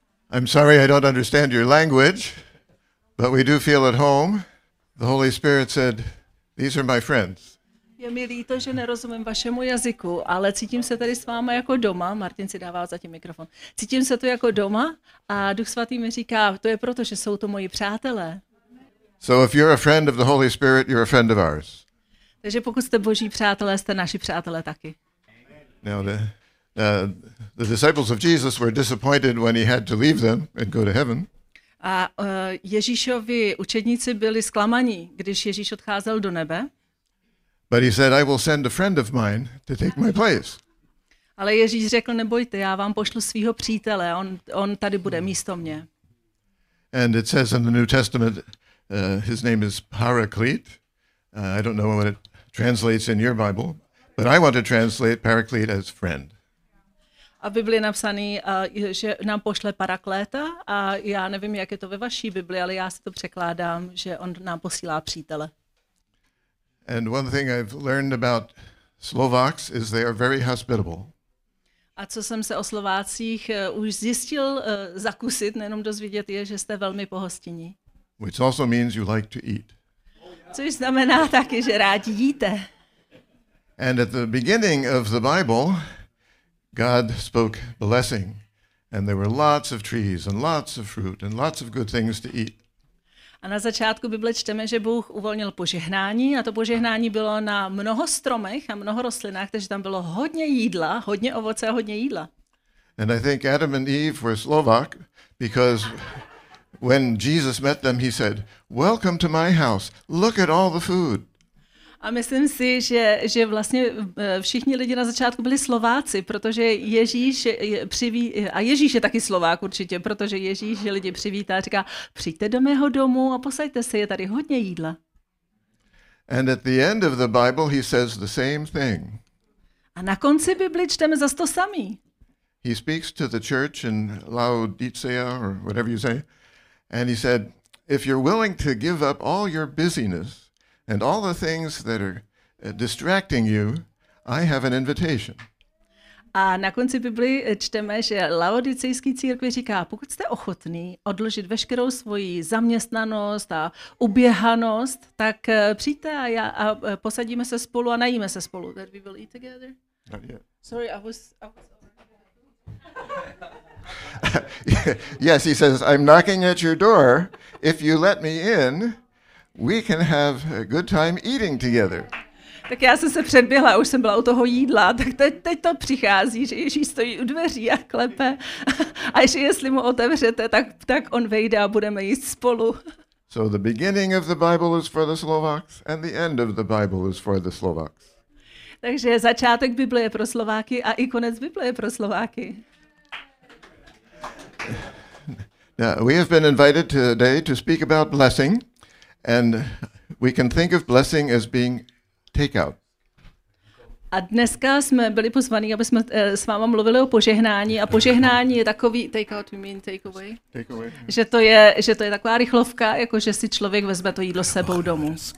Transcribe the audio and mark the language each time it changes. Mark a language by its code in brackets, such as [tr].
[en] I'm sorry I don't understand your language, but we do feel at home. The Holy Spirit said, these are my friends. [cs] Je mi líto, že nerozumím vašemu jazyku, ale cítím se tady s váma jako doma. Martin si dává zatím mikrofon. Cítím se tu jako doma a Duch Svatý mi říká, to je proto, že jsou to moji přátelé. [en] So if you're a friend of the Holy Spirit, you're a friend of ours. [cs] Takže pokud jste Boží přátelé, jste naši přátelé taky. [en] Now the disciples of Jesus were disappointed when he had to leave them and go to heaven. [cs] A Ježíšovi učedníci byli zklamaní, když Ježíš odcházel do nebe. [en] But he said, I will send a friend of mine to take my place. [cs] Ale Ježíš řekl, nebojte, já vám pošlu svého přítele, on tady bude místo mě. [en] And it says in the New Testament, his name is Paraclete. I don't know what it translates in your Bible, but I want to translate Paraclete as friend. [cs] A v Biblii je napsaný, že nám pošle Parakléta a já nevím, jak je to ve vaší Biblii, ale já si to překládám, že on nám posílá přítele. [en] And one thing I've learned about Slovaks is they are very hospitable. [cs] A co jsem se o Slovácích už zjistil zakusit, nejenom dozvědět je, že jste velmi pohostinní. [en] Which also means you like to eat. [cs] Což znamená taky, že rádi jíte. [en] And at the beginning of the Bible, God spoke blessing, and there were lots of trees and lots of fruit and lots of good things to eat. [cs] A na začátku Bible čteme, že Bůh uvolnil požehnání a to požehnání bylo na mnoho stromech a mnoho rostlinách, takže tam bylo hodně jídla, hodně ovoce a hodně jídla. [en] And I think Adam and Eve were Slovak because when Jesus met them, he said, "Welcome to my house. Look at all the food." [cs] A myslím si, že vlastně všichni lidi na začátku byli Slováci, protože Ježíš Ježíš je taky Slovák určitě, protože Ježíš lidi přivítá a říká, přijďte do mého domu a posaďte se, je tady hodně jídla. [en] And at the end of the Bible he says the same thing. [cs] A na konci Bibli čteme zase to samý. [en] He speaks to the church in Laodicea or whatever you say, and he said, if you're willing to give up all your busyness, and all the things that are distracting you, I have an invitation. [cs] A na konci Biblii čteme, že Laodicejský církvi říká, pokud jste ochotný odložit veškerou svoji zaměstnanost a uběhanost, tak přijďte a já a posadíme se spolu a najíme se spolu. [en] That we will eat together? Not yet. Sorry, I was Yes, he says, I'm knocking at your door. If you let me in, we can have a good time eating together. [cs] Tak já jsem se předběhla, už jsem byla u toho jídla, tak teď to přichází, že Ježíš stojí u dveří a klepe. A že jestli mu otevřete, tak on vejde a budeme jíst spolu. [en] So the beginning of the Bible is for the Slovaks and the end of the Bible is for the Slovaks. [cs] Takže začátek Bible je pro Slováky a i konec Bible je pro Slováky. [en] Now, we have been invited today to speak about blessing. And we can think of blessing as being takeout. [cs] A dneska jsme byli pozvaní, aby jsme s váma mluvili o požehnání. A požehnání je takový takeout, [en] you mean takeaway? Takeaway. [cs] Že to je taková rychlovka, jako že si člověk vezme to jídlo sebou domů.